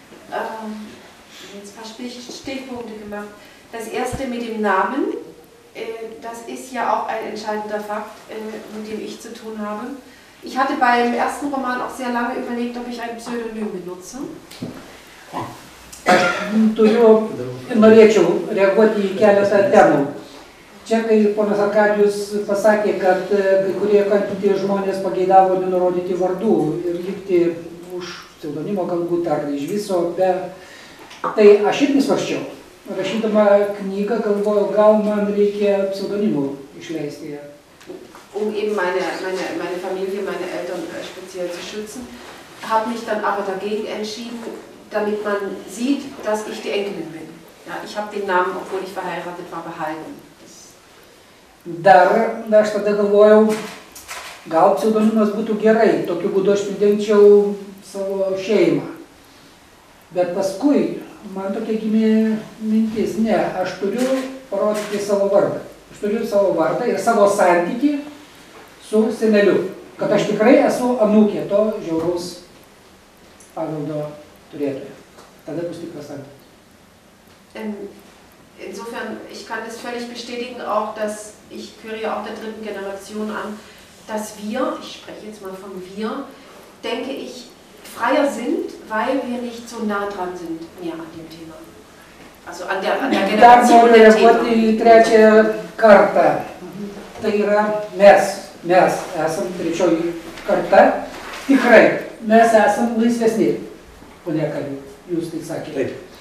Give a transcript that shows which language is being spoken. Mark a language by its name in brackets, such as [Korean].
[German] Ein paar Stichpunkte gemacht. Das erste mit dem Namen, das ist ja auch ein entscheidender Fakt, mit dem ich zu tun habe. Ich hatte beim ersten Roman auch sehr lange überlegt, ob ich ein Pseudonym benutze. Ich möchte auf [Lithuanian] keletą temų. Čia, kai ponas Arkadijus pasakė, kad kai kurie kartai žmonės pageidavo nenurodyti vardų ir likti už pseudonimo galbūt ar iš viso, tai aš irgi svarščiau. Rašydama knygą galvojau, gal man reikia pseudonimų išleisti ją. [German] Meine Familie, meine Eltern speziell zu schützen, habe mich dann aber dagegen entschieden, damit man sieht, dass ich die Enkelin bin. Ja, ich habe den Namen, obwohl ich verheiratet war, behalten. [Lithuanian] Dar aš tada galvojau, gal pseudonimas būtų gerai, tokiu būdu aš pridengčiau savo šeimą. Bet paskui man tokia gimė mintis, ne, aš turiu parodyti savo vardą. Aš turiu savo vardą ir savo santykį su seneliu, kad aš tikrai esu anūkė to žiauraus paveldo turėtojo. Tada bus tikras santykis. [German] Insofern, ich kann das völlig bestätigen, auch dass ich gehöre ja auch der dritten Generation an, dass wir, ich spreche jetzt mal von wir, denke ich, freier sind, weil wir nicht so nah dran sind mehr an dem Thema. Also an der Generation. Da kommt die dritte Karte. [Lithuanian] Tai yra mes esam trečioji karta. Tikrai, mes esam laisvesni. Ponia Kali, jūs tai sakėte.